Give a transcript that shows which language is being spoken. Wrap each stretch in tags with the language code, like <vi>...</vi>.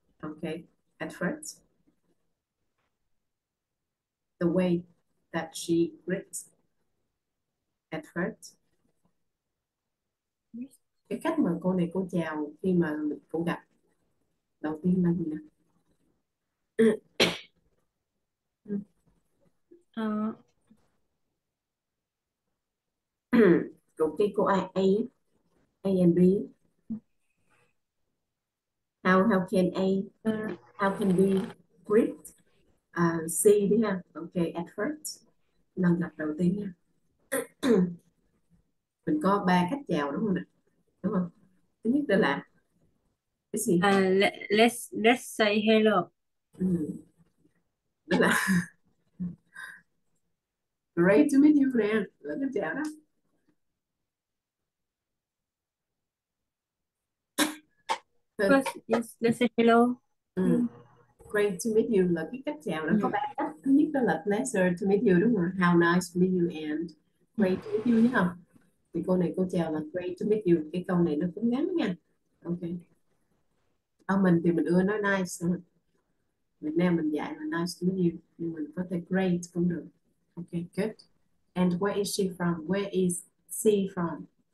<en>Okay, at first, the way that she greets. At first,</en> <vi>cái cách mà cô này cô chào khi mà mình cô gặp đầu tiên là gì nào? Cũng cái cô ai A and B.</vi> <en>How can A how can B greet C</en> <vi>đi ha? Okay,</vi> <en>at first,</en> <vi>lần gặp đầu tiên nha. Mình có ba cách chào đúng không nè, đúng không? Thứ nhất đó là cái gì?</vi> <en>Let's say hello.</en> <vi>Đó là</vi> <en>great to meet you friend,</en> <vi>là cách chào đó.</vi> <en>First, yes, let's say hello. Great to meet you</en> <vi>là cái cách chào đó. Có ba cách. Thứ nhất đó là</vi> <en>pleasure to meet you</en> <vi>đúng không?</vi> <en>How nice to meet you and great to meet you</en> <vi>nhé. Thì cô này cô chào là</vi> <en>great to meet you.</en> <vi>Cái câu này nó cũng ngắn nha. Okay. Ở mình thì mình ưa nói nice. Việt Nam mình dạy là</vi> <en>nice to meet you.</en> <vi>Nhưng mình có thể great cũng được.</vi> <en>Okay, good. And where is she from? Where is she from?</en>